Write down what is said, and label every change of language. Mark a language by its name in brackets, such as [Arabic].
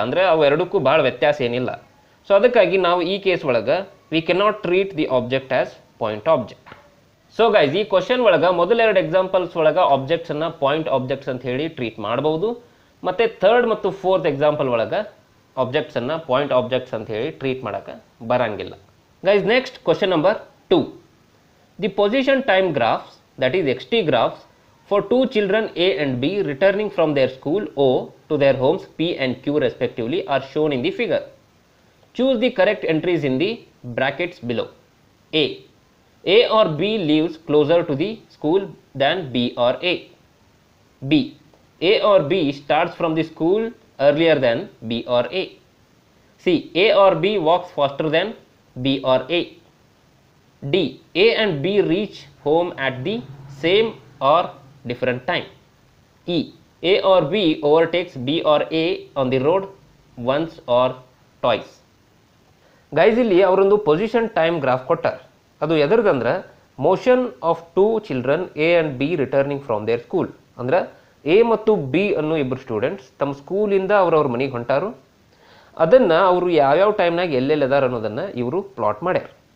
[Kannada] ಅಂದರೆ ಅವು ಎರಡಕ್ಕೂ ಭಾಳ ವ್ಯತ್ಯಾಸ ಏನಿಲ್ಲ. ಸೊ ಅದಕ್ಕಾಗಿ ನಾವು ಈ ಕೇಸ್ ಒಳಗೆ [English] We cannot treat the object as point object. [Kannada] So guys, ಈ ಕ್ವಶನ್ ಒಳಗೆ ಮೊದಲೆರಡು ಎಕ್ಸಾಂಪಲ್ಸ್ ಒಳಗೆ ಆಬ್ಜೆಕ್ಟ್ಸನ್ನು ಪಾಯಿಂಟ್ ಆಬ್ಜೆಕ್ಟ್ಸ್ ಅಂತ ಹೇಳಿ ಟ್ರೀಟ್ ಮಾಡ್ಬೋದು. ಮತ್ತು 3rd ಮತ್ತು 4th ಎಕ್ಸಾಂಪಲ್ ಒಳಗೆ ಆಬ್ಜೆಕ್ಟ್ಸನ್ನು ಪಾಯಿಂಟ್ ಆಬ್ಜೆಕ್ಟ್ಸ್ ಅಂತ ಹೇಳಿ ಟ್ರೀಟ್ ಮಾಡೋಕ್ಕೆ ಬರೋಂಗಿಲ್ಲ. Guys, next question number 2, [English] The position time graphs, that is XT graphs, for two children A and B returning from their school O to their homes P and Q respectively are shown in the figure. Choose the correct entries in the brackets below. A. A or B lives closer to the school than B or A. B. A or B starts from the school earlier than B or A. C. A or B walks faster than B or A. D. A and B reach home at the same or different time. E. A or B overtakes B or A on the road once or twice. [Kannada] Guys, ಇಲ್ಲಿ ಅವರೊಂದು position time graph ಕೊಟ್ಟಾರೆ. ಅದು ಎದುರ್ದಂದ್ರೆ [English] Motion of two children A and B returning from their school. [Kannada] ಅಂದರೆ A ಮತ್ತು B ಅನ್ನೋ ಇಬ್ಬರು students ತಮ್ಮ ಸ್ಕೂಲಿಂದ ಅವರವ್ರ ಮನೆಗೆ ಹೊಂಟಾರು. ಅದನ್ನು ಅವರು ಯಾವ್ಯಾವ ಟೈಮ್ನಾಗ ಎಲ್ಲೆಲ್ಲಿ ಅದಾರ ಅನ್ನೋದನ್ನು ಇವರು ಪ್ಲಾಟ್ ಮಾಡ್ಯಾರ.